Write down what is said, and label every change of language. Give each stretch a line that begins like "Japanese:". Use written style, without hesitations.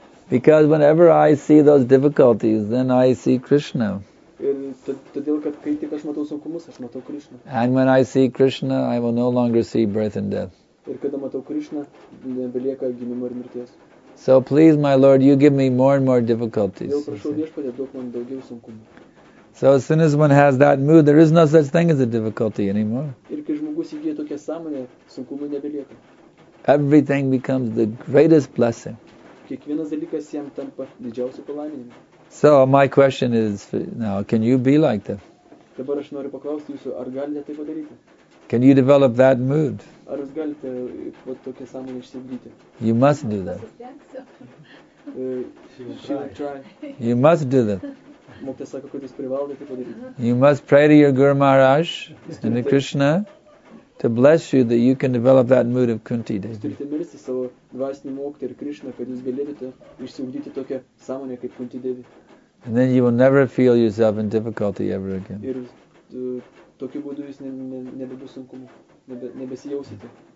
English: Because whenever I see those difficulties, then I see Krishna.
Lithuanian: Todėl, kad kai tik aš matau sunkumus, aš matau Krishna.
English: And when I see Krishna, I will no longer see birth and death.
Lithuanian: Ir kada matau Krishna, nebelieka gimimo ir mirties.
English: So please, my Lord, you give me more and more difficulties.
Lithuanian: Jau prašau, Viešpatie, duok man daugiau sunkumų.
English: So as soon as one has that mood, there is no such thing as a difficulty anymore.
Lithuanian: Ir kai žmogus įgyja tokią sąmonę, sunkumų nebelieka.
English: Everything becomes the greatest blessing.
Lithuanian: Kiekvienas dalykas jam tampa didžiausiu palaiminimu.
English: So my question is now, can you be like that?
Lithuanian: Dabar aš noriu paklausti jūsų, ar galite tai padaryti?
English: Can you develop that mood?
Lithuanian: Ar jūs galite vat tokią sąmonę išsigdyti?
English: You must do that. She will try. You must do that.
Lithuanian: Mokytojas sako, kad jūs privalote tai padaryti.
English: You must pray to your Guru Maharaj and the Krishna to bless you that you can develop that mood of Kunti Devi.
Lithuanian: Jūs turite melstis savo dvasiniam mokytojui ir Krishna, kad jūs galėtumėte išsiugdyti tokią sąmonę kaip Kunti Devi.
English: And then you will never feel yourself in difficulty ever again.
Lithuanian: Ir tokiu būdu jūs nebebus sunkumu, nebesijausite.